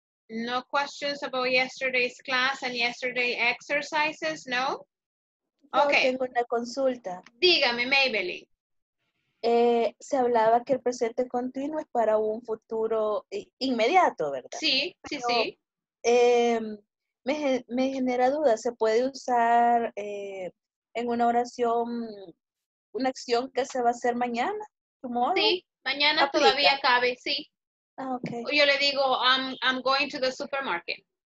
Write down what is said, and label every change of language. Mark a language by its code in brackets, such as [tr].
[en] No questions about yesterday's class and yesterday exercises, no? Okay. [es] Tengo una consulta. Dígame, Maybelline. Se hablaba que el presente continuo es para un futuro inmediato, ¿verdad? Sí, sí, pero, sí. Me genera duda, ¿se puede usar en una oración una acción que se va a hacer mañana? ¿Tomorrow? Sí, Mañana aplica. Todavía cabe, sí. Okay. Yo le digo, [en] I'm going to the supermarket.